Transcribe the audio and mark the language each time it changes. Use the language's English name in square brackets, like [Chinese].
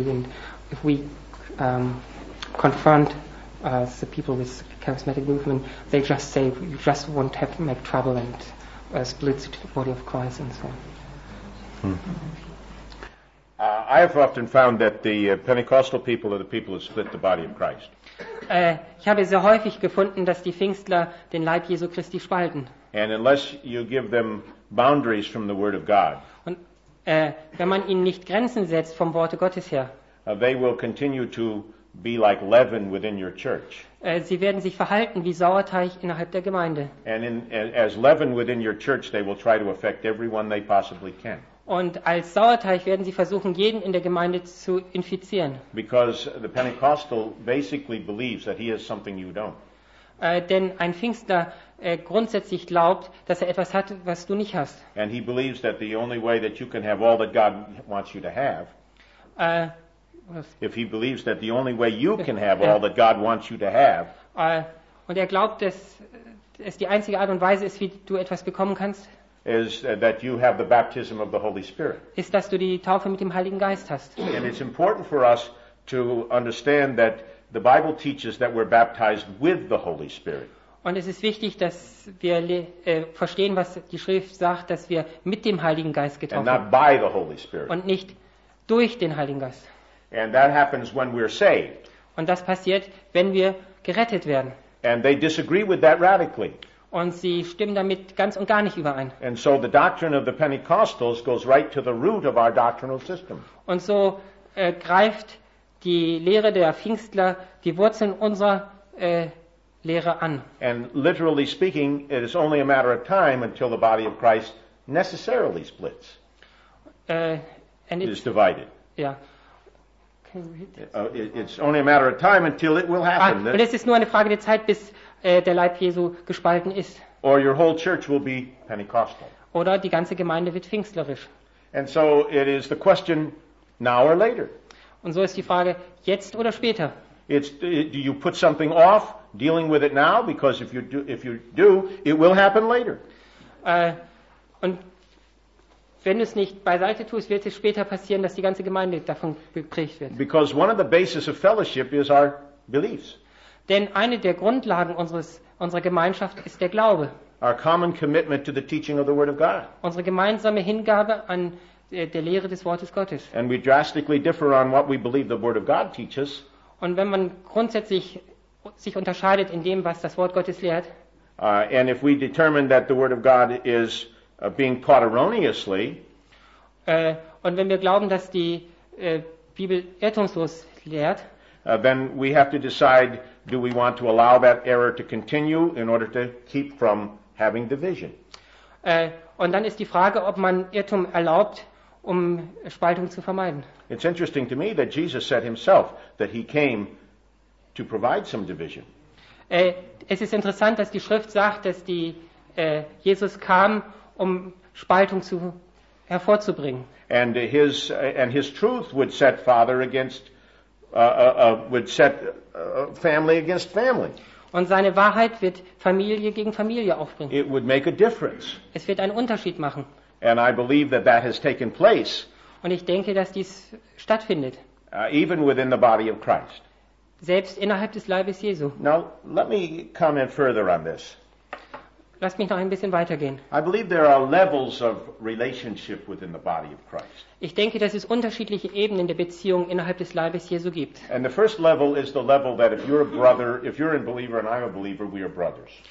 [English] And if we confront the people with charismatic movement, they just say, you just won't have to make trouble and split the body of Christ and so on. Hmm. I have often found that the Pentecostal people are the people who split the body of Christ. [German] Ich habe sehr häufig gefunden, dass die Pfingstler den Leib Jesu Christi spalten. [English] And unless you give them boundaries from the Word of God. [German] Und wenn man ihnen nicht Grenzen setzt vom Worte Gottes her. [English] They will continue to be like leaven within your church. [German] Sie werden sich verhalten wie Sauerteig innerhalb der Gemeinde. [English] And in, as leaven within your church, they will try to affect everyone they possibly can. [German] Und als Sauerteig werden sie versuchen, jeden in der Gemeinde zu infizieren. [English] Because the Pentecostal basically believes that he has something you don't. [German] Denn ein Pfingstler grundsätzlich glaubt, dass er etwas hat, was du nicht hast. [English] And he believes that the only way that you can have all that God wants you to have. If he believes that the only way you can have all that God wants you to have. [German] Und er glaubt, dass es die einzige Art und Weise ist, wie du etwas bekommen kannst. [English] Is that you have the baptism of the Holy Spirit. [German] Ist, dass du die Taufe mit dem Heiligen Geist hast. [English] And it's important for us to understand that the Bible teaches that we're baptized with the Holy Spirit. [German] Und es ist wichtig, dass wir verstehen, was die Schrift sagt, dass wir mit dem Heiligen Geist getauft werden. [English] And not by the Holy Spirit. [German] Und nicht durch den Heiligen Geist. [English] And that happens when we're saved. [German] Und das passiert, wenn wir gerettet werden. [English] And they disagree with that radically. [German] Und sie stimmen damit ganz und gar nicht überein. [English] And so the doctrine of the Pentecostals goes right to the root of our doctrinal system. [German] Und so greift die Lehre der Pfingstler die Wurzeln unserer Lehre an. [English] And literally speaking, it is only a matter of time until the body of Christ necessarily splits. It's divided. Yeah. It's only a matter of time until it will happen. [German] Und es ist nur eine Frage der Zeit, bis der Leib Jesu gespalten ist. [English] Or your whole church will be Pentecostal. [German] Oder die ganze Gemeinde wird pfingstlerisch. [English] And so it is the question now or later. [German] Und so ist die Frage jetzt oder später. [English] It's, do you put something off dealing with it now? Because if you do, it will happen later. [German] Und wenn du es nicht beiseite tust, wird es später passieren, dass die ganze Gemeinde davon geprägt wird. [English] Because one of the basis of fellowship is our beliefs. [German] Denn eine der Grundlagen unserer Gemeinschaft ist der Glaube. [English] Our common commitment to the teaching of the Word of God. [German] Unsere gemeinsame Hingabe an der Lehre des Wortes Gottes. [English] And we drastically differ on what we believe the Word of God teaches. [German] Und wenn man grundsätzlich sich unterscheidet in dem, was das Wort Gottes lehrt. [English] And if we determine that the Word of God is being taught erroneously. [German] Und wenn wir glauben, dass die Bibel irrtumslos lehrt, [English] then we have to decide, do we want to allow that error to continue in order to keep from having division? [German] Und dann ist die Frage, ob man Irrtum erlaubt, um Spaltung zu vermeiden. [English] It's interesting to me that Jesus said himself that he came to provide some division. [German] Es ist interessant, dass die Schrift sagt, dass die Jesus kam, um Spaltung zu hervorzubringen. [English] And his truth would set father against family against family. [German] Und seine Wahrheit wird Familie gegen Familie aufbringen. [English] It would make a difference. [German] Es wird einen Unterschied machen. [English] And I believe that has taken place. [German] Und ich denke, dass dies stattfindet. [English] Even within the body of Christ. [German] Selbst innerhalb des Leibes Jesu. [English] Now let me comment further on this. [German] Lass mich noch ein bisschen weitergehen. [English] I believe there are levels of relationship within the body of Christ. [German] Ich denke, dass es unterschiedliche Ebenen der Beziehung innerhalb des Leibes Jesu gibt. [English] And the first level is the level that if you're a brother, if you're a believer and I'm a believer, we are brothers.